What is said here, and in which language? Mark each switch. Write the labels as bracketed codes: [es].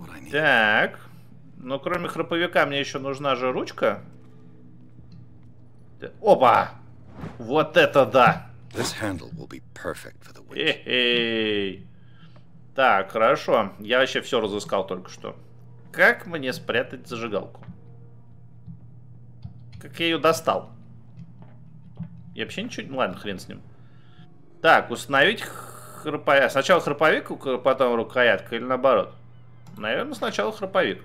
[ru] Так. Но кроме храповика мне еще нужна же ручка. Опа! Вот это да! [en] This handle will be perfect for the witch. [ru] Эй. Так, хорошо. Я вообще все разыскал только что. Как мне спрятать зажигалку? Как я ее достал? Я вообще ничего... Ну ладно, хрен с ним. Так, установить храповик. Сначала храповик, потом рукоятка или наоборот? Наверное, сначала храповик.